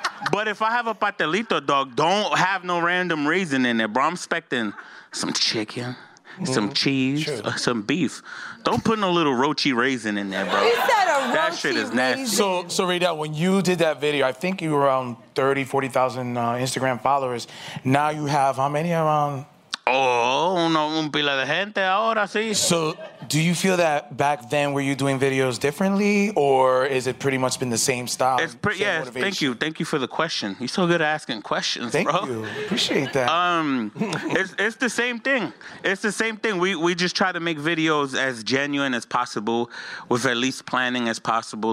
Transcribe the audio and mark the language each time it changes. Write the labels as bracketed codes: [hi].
[en] But if I have a patelito, dog, don't have no random raisin in it, bro. I'm expecting some chicken. Some cheese, some beef. Don't put no little roachy raisin in there, bro. Is that a roachy That shit is raisin? Nasty. So Radel, when you did that video, I think you were around 30, 40,000 Instagram followers. Now you have how many around? [es] Oh, uno, un pila de gente ahora, sí. [en] So do you feel that back then were you doing videos differently or is it pretty much been the same style? Yes, motivation? Thank you for the question. You're so good at asking questions, thank bro. Thank you, appreciate that. it's the same thing. It's the same thing. We just try to make videos as genuine as possible with at least planning as possible.